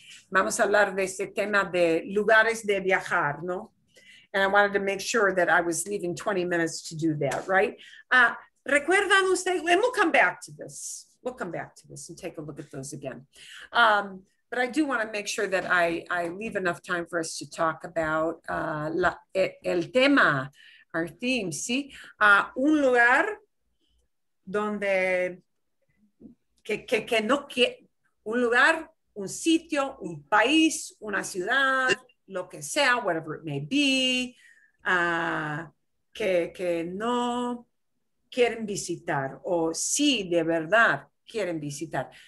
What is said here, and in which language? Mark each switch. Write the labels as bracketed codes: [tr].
[es] Vamos a hablar de este tema de lugares de viajar, ¿no? [en] And I wanted to make sure that I was leaving 20 minutes to do that, right? [es] Recuerdan ustedes, [en] and we'll come back to this. We'll come back to this and take a look at those again. But I do want to make sure that I leave enough time for us to talk about [es] el tema, [en] our theme, ¿sí? [es] Un lugar donde, que no quiere, un lugar, un sitio, un país, una ciudad, lo que sea, [en] whatever it may be, [es] que no quieren visitar, o sí, de verdad, quieren visitar.